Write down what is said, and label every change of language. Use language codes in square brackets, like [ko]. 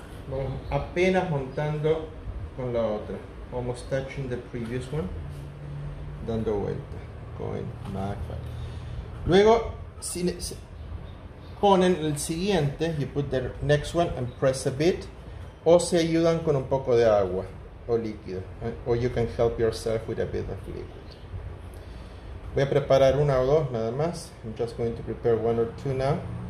[es] Vamos apenas montando con la otra, [en] almost touching the previous one, [es] dando vuelta, [en] going back. [es] Luego, ponen el siguiente, [en] you put the next one and press a bit. [es] O se ayudan con un poco de agua o líquido. [en] O you can help yourself with a bit of liquid. [es] Voy a preparar una o dos nada más. [en] I'm just going to prepare one or two now.